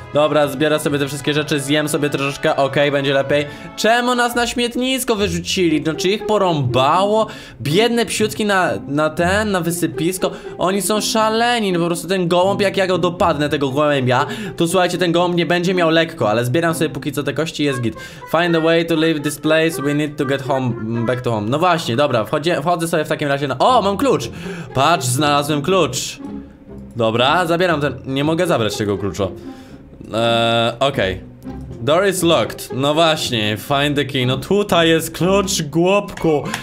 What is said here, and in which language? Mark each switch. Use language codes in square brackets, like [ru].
[pl] Dobra, zbiorę sobie te wszystkie rzeczy, zjem sobie troszeczkę, okej, będzie lepiej. Czemu nas na śmietnisko wyrzucili? No, czy ich porąbało? Biedne psiutki na wysypisko. Oni są szaleni, no po prostu ten gołąb, jak ja go dopadnę, tego gołębia, to słuchajcie, ten gołąb nie będzie miał lekko, ale zbieram sobie póki co te kości, jest git. [en] Find a way to leave this place, we need to get home, back to home. [pl] No właśnie, dobra, wchodzę sobie w takim razie na... O, mam klucz! Patrz, znalazłem klucz! Dobra, zabieram ten... Nie mogę zabrać tego klucza. Okej. Okay. [en] Door is locked. [pl] No właśnie, [en] find the key. [pl] No tutaj jest klucz, głupku!